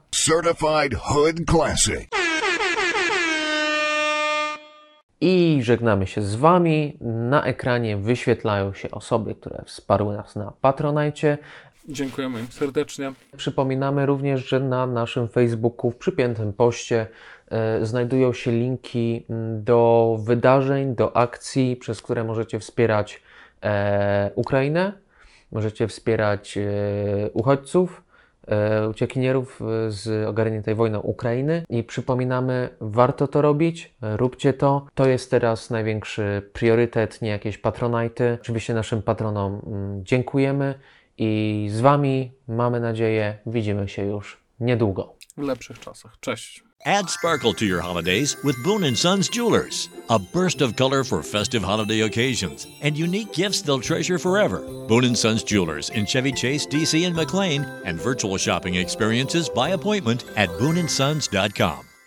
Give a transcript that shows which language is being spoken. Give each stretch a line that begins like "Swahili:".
English: Certified Hood Classic.
Polish: I żegnamy się z wami. Na ekranie wyświetlają się osoby, które wsparły nas na Patronite. Dziękujemy im serdecznie. Przypominamy również, że na naszym Facebooku w przypiętym poście znajdują się linki do wydarzeń, do akcji, przez które możecie wspierać Ukrainę, możecie wspierać uchodźców, uciekinierów z ogarniętej wojną Ukrainy. I przypominamy, warto to robić, róbcie to. To jest teraz największy priorytet, nie jakieś patronajty. Oczywiście naszym patronom dziękujemy. I z wami, mamy nadzieję, widzimy się już niedługo. W lepszych czasach. Cześć.
English: Add sparkle to your holidays with Boon & Sons Jewelers. A burst of color for festive holiday occasions and unique gifts they'll treasure forever. Boon & Sons Jewelers in Chevy Chase, D.C. and McLean, and virtual shopping experiences by appointment at boonandsons.com.